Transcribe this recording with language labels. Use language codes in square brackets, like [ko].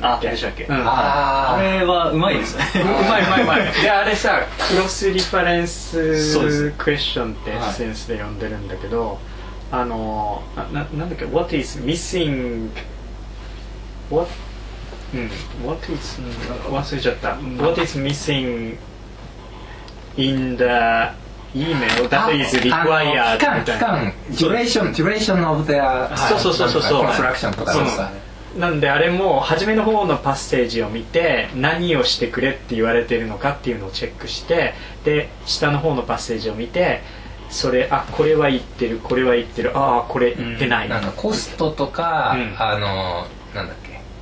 [ja] あって話だっけ、うん、あれはうまいですね、うん、うまいであれさ、クロスリファレンスクエスチョンってエッセンスで呼んでるんだけど、はい、あの なんだっけ [en] What is missing? What What is [ja] 忘れちゃった。 [en] What is missing in the email that is required? [ja] 期間、 [en] duration of the construction [ja] とかそうさ。なんであれも初めの方のパッセージを見て何をしてくれって言われてるのかっていうのをチェックして、で下の方のパッセージを見て、それあこれは言ってる、これは言ってる、ああこれ言ってない、うん、なんかコストとか、うん、あのなんだっけ